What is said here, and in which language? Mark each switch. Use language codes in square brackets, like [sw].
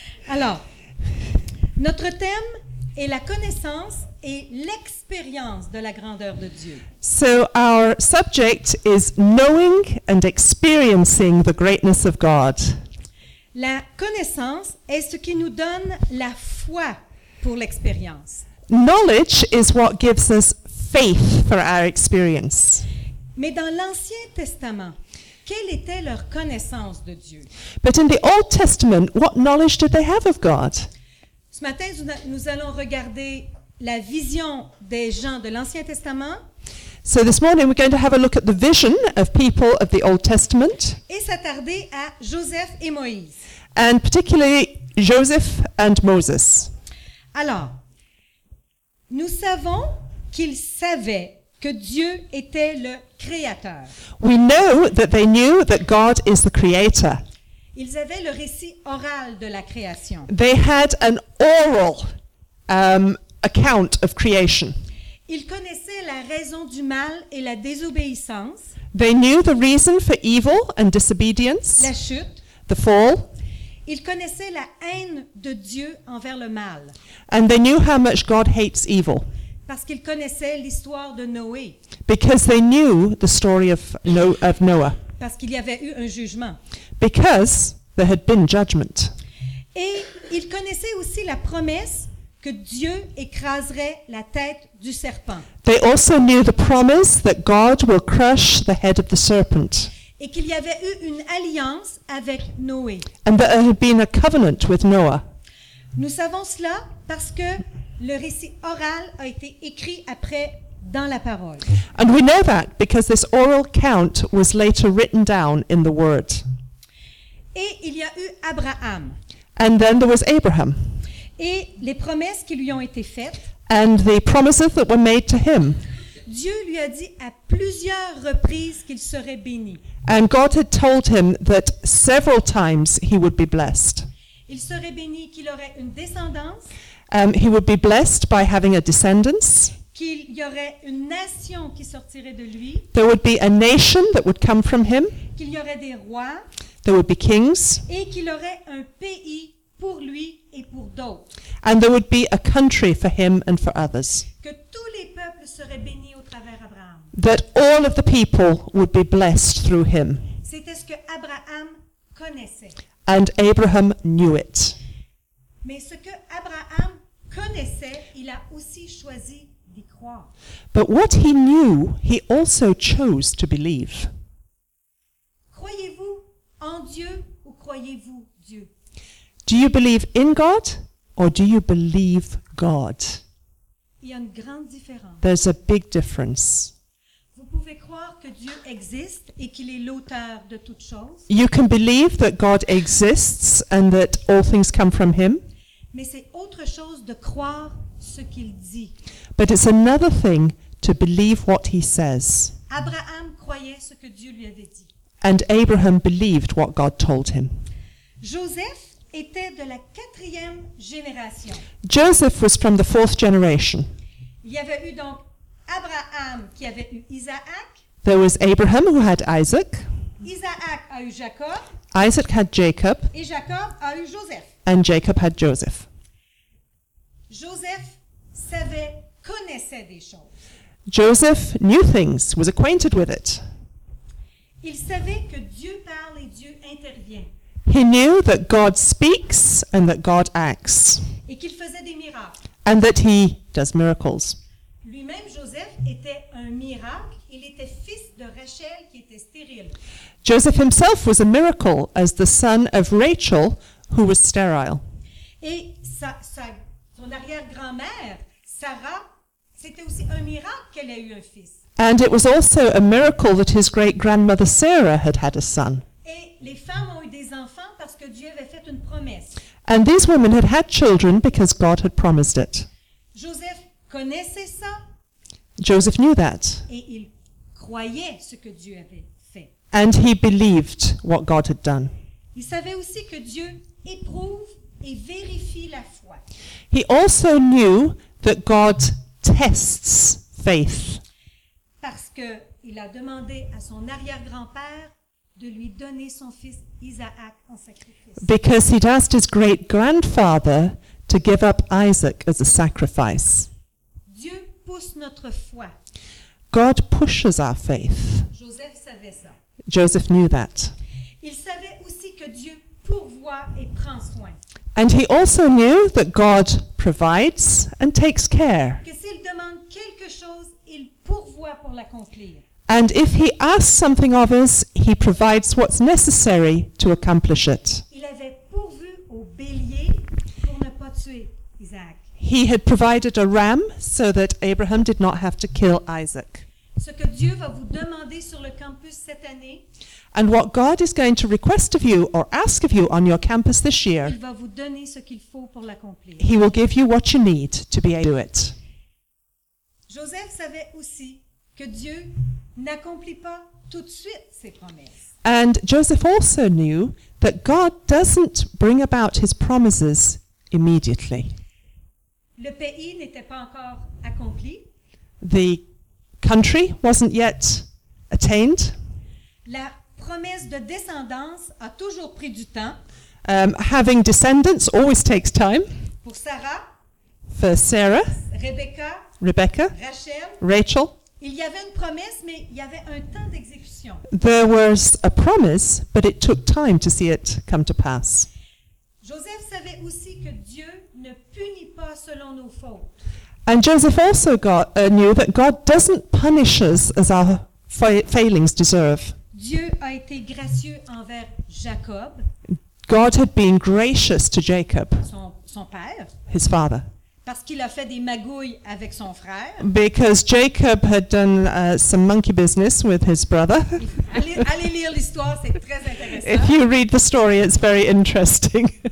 [fr] Alors, notre thème est la connaissance et l'expérience de la grandeur de Dieu. [en] So our subject is knowing and experiencing the greatness of God. [fr] La connaissance est ce qui nous donne la foi pour l'expérience. [en] Knowledge is what gives us faith for our experience. [fr] Mais dans l'Ancien Testament, quelle était leur connaissance de Dieu? [en] But in the Old Testament, what knowledge did they have of God? [fr] Ce matin, nous allons regarder la vision des gens de l'Ancien Testament. [en] So this morning, we're going to have a look at the vision of people of the Old Testament. [fr] Et s'attarder à Joseph et Moïse. [en] And particularly Joseph and Moses. [fr] Alors, nous savons qu'ils savaient que Dieu était le Créateur. [en] We know that they knew that God is the Creator. [fr] Ils avaient le récit oral de la création. [en] They had an oral account of creation. [fr] Ils connaissaient la raison du mal et la désobéissance. [en] They knew the reason for evil and disobedience. [fr] La chute. [en] The fall. [fr] Ils connaissaient la haine de Dieu envers le mal. [en] And they knew how much God hates evil. [fr] Parce qu'ils connaissaient l'histoire de Noé. [en] Because they knew the story of Noah. [fr] Parce qu'il y avait eu un jugement. [en] Because there had been judgment. [fr] Et ils connaissaient aussi la promesse que Dieu écraserait la tête du serpent. [en] They also knew the promise that God will crush the head of the serpent. [fr] Et qu'il y avait eu une alliance avec Noé. [en] And that there had been a covenant with Noah. [fr] Nous savons cela parce que le récit oral a été écrit après dans la parole. [en] And we know that because this oral account was later written down in the word. [fr] Et il y a eu Abraham. [en] And then there was Abraham. [fr] Et les promesses qui lui ont été faites. [en] And the promises that were made to him. [fr] Dieu lui a dit à plusieurs reprises qu'il serait béni. [en] And God had told him that several times he would be blessed. [fr] Il serait béni qu'il aurait une descendance. [en] He would be blessed by having a descendance. [fr] Qu'il y aurait une nation qui sortirait de lui. [en] There would be a nation that would come from him. [fr] Qu'il y aurait des rois. [en] There would be kings. [fr] Et qu'il aurait un pays pour lui et pour d'autres. [en] And there would be a country for him and for others. [fr] Que tous les peuples seraient bénis au travers d'Abraham. [en] That all of the people would be blessed through him. [fr] C'était ce que Abraham connaissait. [en] And Abraham knew it. [fr] Mais ce que Abraham connaissait, il a aussi choisi d'y croire. [en] But what he knew, he also chose to believe. [fr] Croyez-vous en Dieu ou croyez-vous Dieu? [en] Do you believe in God or do you believe God? [fr] Il y a une grande différence. [en] There's a big difference. [fr] Vous pouvez croire que Dieu existe et qu'il est l'auteur de toutes choses. [en] You can believe that God exists and that all things come from him. [fr] Mais c'est autre chose de croire ce qu'il dit. [en] But it's another thing to believe what he says. [fr] Abraham croit croyait ce que Dieu lui avait dit. [en] And Abraham believed what God told him. [fr] Joseph était de la quatrième génération. [en] Joseph was from the fourth generation. [fr] Il y avait eu donc Abraham qui avait eu Isaac. [en] There was Abraham who had Isaac. [fr] Isaac a eu Jacob. [en] Isaac had Jacob. [fr] Et Jacob a eu Joseph. [en] And Jacob had Joseph. [fr] Joseph savait, connaissait des choses. [en] Joseph knew things, was acquainted with it. [fr] Il savait que Dieu parle et Dieu intervient. [en] He knew that God speaks and that God acts. [fr] Et qu'il faisait des miracles. [en] And that he does miracles. [fr] Lui-même, Joseph, était un miracle. Il était fils de Rachel qui était stérile. [en] Joseph himself was a miracle as the son of Rachel who was sterile. [fr] Et son arrière-grand-mère, Sarah, c'était aussi un miracle qu'elle ait eu un fils. [en] And it was also a miracle that his great-grandmother Sarah had had a son. [fr] Et les femmes ont eu des enfants parce que Dieu avait fait une promesse. [en] And these women had had children because God had promised it. [fr] Joseph connaissait ça. [en] Joseph knew that. [fr] Et il croyait ce que Dieu avait fait. [en] And he believed what God had done. [fr] Il savait aussi que Dieu éprouve et vérifie la foi. [en] He also knew that God tests faith. [fr] Parce que il a demandé à son arrière-grand-père de lui donner son fils Isaac en sacrifice. [en] Because he'd asked his great-grandfather to give up Isaac as a sacrifice. [fr] Dieu pousse notre foi. [en] God pushes our faith. [fr] Joseph savait ça. [en] Joseph knew that. [fr] Il savait aussi que Dieu pourvoit et prend soin. [en] And he also knew that God provides and takes care. [fr] Que s'il demande quelque chose, il pourvoit pour l'accomplir. [en] And if he asks something of us, he provides what's necessary to accomplish it. [fr] Il avait pourvu au bélier pour ne pas tuer Isaac. [en] He had provided a ram so that Abraham did not have to kill Isaac. [fr] Ce que Dieu va vous demander sur le campus cette année. [en] And what God is going to request of you or ask of you on your campus this year. [fr] Il va vous donner ce qu'il faut pour l'accomplir. [en] He will give you what you need to be able to do it. [fr] Joseph savait aussi que Dieu n'accomplit pas tout de suite ses promesses. [en] And Joseph also knew that God doesn't bring about his promises immediately. [fr] Le pays n'était pas encore accompli. [en] The country wasn't yet attained. [fr] La promesse de descendance a toujours pris du temps. [en] Having descendants always takes time. [fr] Pour Sarah. [en] For Sarah. Rebecca. Rachel. [fr] Il y avait une promesse, mais il y avait un temps d'exécution. [en] There was a promise, but it took time to see it come to pass. [fr] Joseph savait aussi que Dieu ne punit pas selon nos fautes. [en] And Joseph also knew that God doesn't punish us as our failings deserve. [fr] Dieu a été gracieux envers Jacob. [en] God had been gracious to Jacob. [fr] Son père. [en] His father. [fr] Parce qu'il a fait des magouilles avec son frère. [en] Because Jacob had done some monkey business with his brother. [fr] Allez lire l'histoire, c'est très intéressant. [en] If you read the story, it's very interesting.